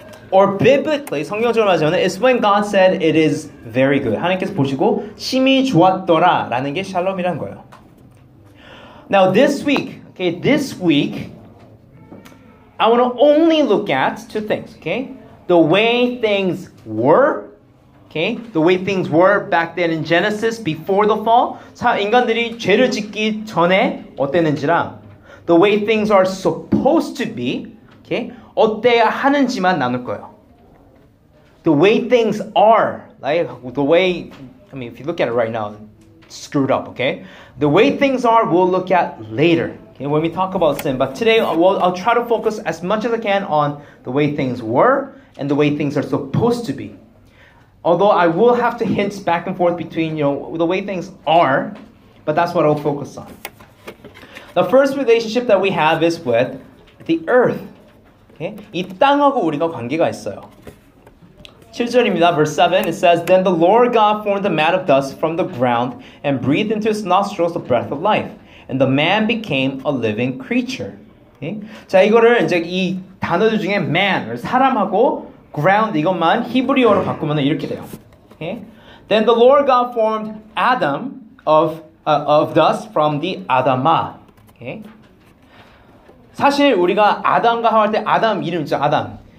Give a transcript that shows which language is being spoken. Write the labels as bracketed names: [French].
[English] Or biblically, [Korean] 성경적으로 말하자면 [English] it's when God said it is very good. [Korean] 하나님께서 보시고 심히 좋았더라 라는 게 샬롬이란 거예요. [English] Now this week, okay, this week I want to only look at two things, okay? The way things were, okay? The way things were back then in Genesis before the fall. [Korean] 인간들이 죄를 짓기 전에 어땠는지랑 [English] the way things are supposed to be, okay? [Korean] 어때야 하는지만 나눌 거예요. [English] The way things are, like the way, I mean, if you look at it right now, it's screwed up, okay? The way things are, we'll look at later. When we talk about sin, but today I'll try to focus as much as I can on the way things were and the way things are supposed to be. Although I will have to hint back and forth between, you know, the way things are, but that's what I'll focus on. The first relationship that we have is with the earth. Okay? [Korean] 이 땅하고 우리가 관계가 있어요. 7절입니다. [English] Verse 7, it says, Then the Lord God formed the man of dust from the ground and breathed into his nostrils the breath of life. And the man became a living creature. Okay? [Korean] 자, 이거를 이제 이 단어들 중에 man, 사람하고 ground 이것만 히브리어로 바꾸면 이렇게 돼요. Okay? [English] Then the Lord God formed Adam of dust from the Adama. Okay? [Korean] 사실 우리가 아담과 하와 할 때 아담 이름 있죠, 아담.